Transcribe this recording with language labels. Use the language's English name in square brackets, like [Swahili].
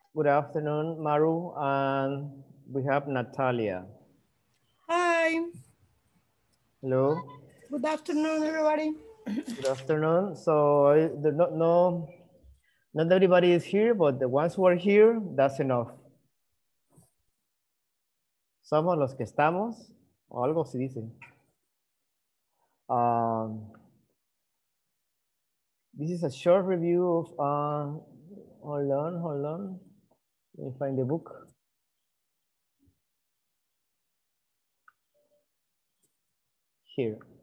[English] Good afternoon, Maru. And we have Natalia. Hi. Hello. Good afternoon, everybody. Good afternoon. So not everybody is here, but the ones who are here, that's enough. [Spanish] Somos los que estamos, o algo se dice. [English] This is a short review of, hold on. Let me find the book. Here.